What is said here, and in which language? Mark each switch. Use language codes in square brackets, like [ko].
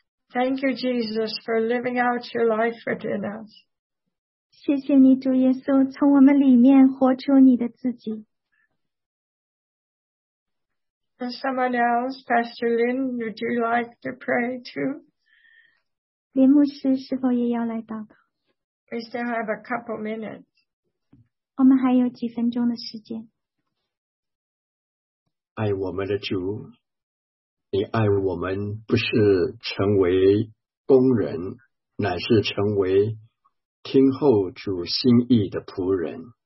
[en] Thank you, Jesus, for living out your life within us. [zh] 谢谢你，主耶稣，从我们里面活出你的自己。 [en] And someone else, Pastor Lin, would you like to pray too? [zh] 林牧师是否也要来祷告？ [en] We still have a couple minutes. [zh] 我们还有几分钟的时间。爱我们的主，你爱我们不是成为工人，乃是成为听候主心意的仆人。